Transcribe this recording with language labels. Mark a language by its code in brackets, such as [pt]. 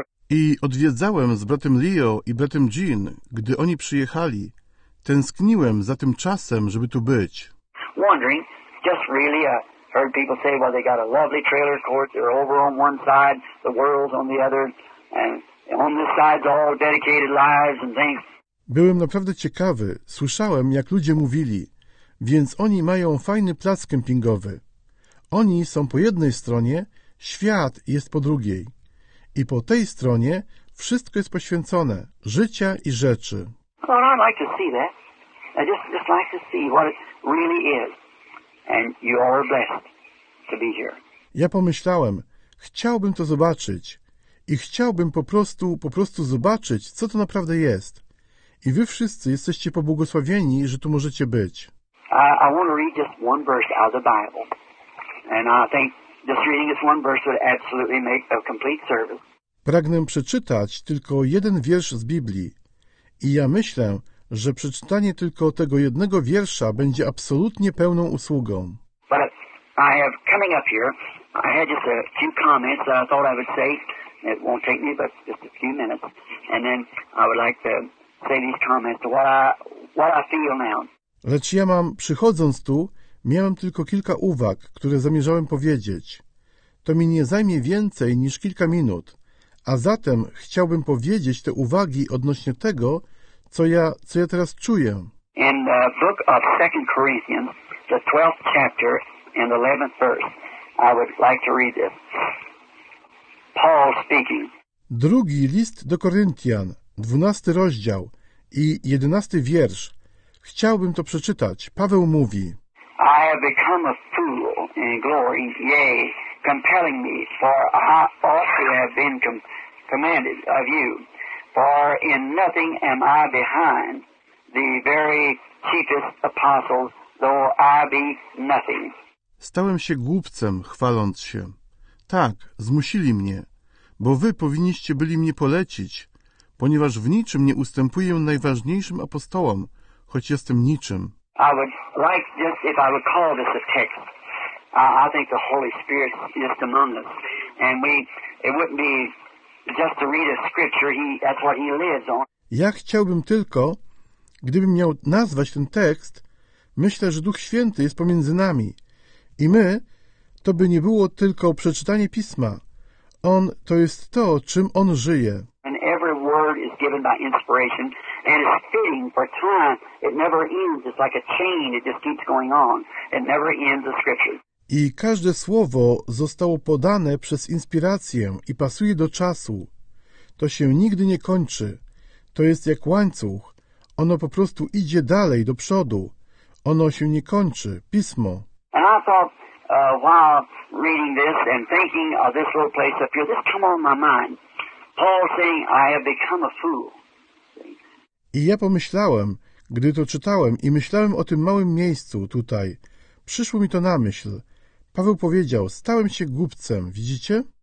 [pl] I odwiedzałem z bratem Leo i bratem Jean, gdy oni przyjechali. Tęskniłem za tym czasem, żeby tu być. [en] Wondering, just really, heard people say, well, they got a lovely trailer court. They're over on one side, the world's on the other, and on this side's all dedicated lives and things. [pl] Byłem naprawdę ciekawy. Słyszałem, jak ludzie mówili. Więc oni mają fajny plac kempingowy. Oni są po jednej stronie, świat jest po drugiej. I po tej stronie wszystko jest poświęcone, życia i rzeczy. [en] Well, I'd like to see that. I'd just like to see what it really is. And you are blessed to be here. [pl] Ja pomyślałem, chciałbym to zobaczyć. I chciałbym po prostu zobaczyć, co to naprawdę jest. I wy wszyscy jesteście pobłogosławieni, że tu możecie być. [en] I want to read just one verse out of the Bible. And I think just reading this one verse would absolutely make a complete service. [pl] Pragnę przeczytać tylko jeden wiersz z Biblii. I ja myślę, że przeczytanie tylko tego jednego wiersza będzie absolutnie pełną usługą. [en] But I have coming up here, I had just a few comments that I thought I would say. It won't take me but just a few minutes. And then I would like to say these comments to what I feel now. [pl] Lecz ja mam, przychodząc tu, miałem tylko kilka uwag, które zamierzałem powiedzieć. To mi nie zajmie więcej niż kilka minut, a zatem chciałbym powiedzieć te uwagi odnośnie tego, co ja teraz czuję. [en] In the book of 2 Corinthians, the 12th chapter and 11th verse, I would like to read this. Paul speaking. [pl] Drugi list do Koryntian, 12 rozdział i 11 wiersz. Chciałbym to przeczytać. Paweł mówi: [en] I have become a fool in glory, yea, compelling me, for I also have been commanded of you, for in nothing am I behind the very chiefest apostles, though I be nothing. [pl] Stałem się głupcem, chwaląc się. Tak, zmusili mnie, bo wy powinniście byli mnie polecić, ponieważ w niczym nie ustępuję najważniejszym apostołom, choć jestem niczym. [en] I would like just if I would call this a text. I think the Holy Spirit is just among us, and it wouldn't be just to read a scripture. That's what he lives on. [pl] Ja chciałbym tylko, gdybym miał nazwać ten tekst, myślę, że Duch Święty jest pomiędzy nami, i my, to by nie było tylko przeczytanie Pisma. On to jest to, czym on żyje. [en] And every word is given by inspiration. And it's fitting for time. It never ends. It's like a chain. It just keeps going on. It never ends the scripture. [pl] I każde słowo zostało podane przez inspirację i pasuje do czasu. To się nigdy nie kończy. To jest jak łańcuch. Ono po prostu idzie dalej, do przodu. Ono się nie kończy. Pismo. [en] And I thought, while reading this and thinking of this little place up here, this came on my mind. Paul saying, I have become a fool. [pl] I ja pomyślałem, gdy to czytałem i myślałem o tym małym miejscu tutaj, przyszło mi to na myśl. Paweł powiedział, stałem się głupcem, widzicie?